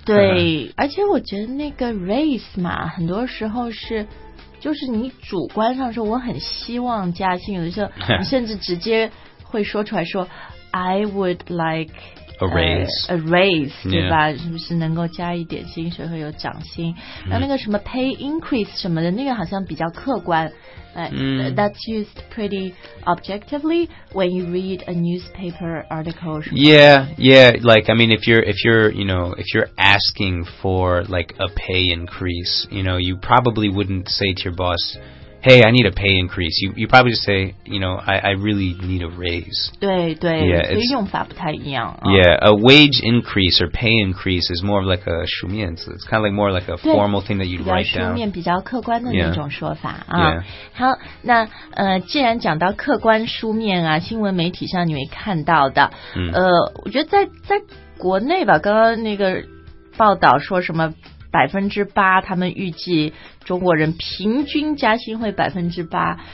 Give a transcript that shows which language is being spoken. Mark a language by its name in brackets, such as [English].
[Chinese] 对而且我觉得那个 raise 嘛很多时候是就是你主观上说我很希望加薪有的时候你甚至直接会说出来说 [English] I would like a raise. A raise, 对吧？ [Chinese] 是不是能够加一点薪水，会有涨薪？然后那个什么 pay increase 什么的，那个好像比较客观。 [English] That's used pretty objectively when you read a newspaper article. Yeah. Like, I mean, if you're asking for like a pay increase, you know, you probably wouldn't say to your boss, hey, I need a pay increase. You probably just say, you know, I really need a raise. [Chinese] 对对，所以用法不太一样。 [English] Yeah, a wage increase or pay increase is more of like a 书面字. It's kind of like more like a formal thing that you'd write down. [Chinese] 比较书面，比较客观的那种说法。 [English] Yeah. [Chinese] 好，那既然讲到客观书面啊，新闻媒体上你会看到的，我觉得在国内吧，刚刚那个报道说什么8%，他们预计中国人平均加薪会8%。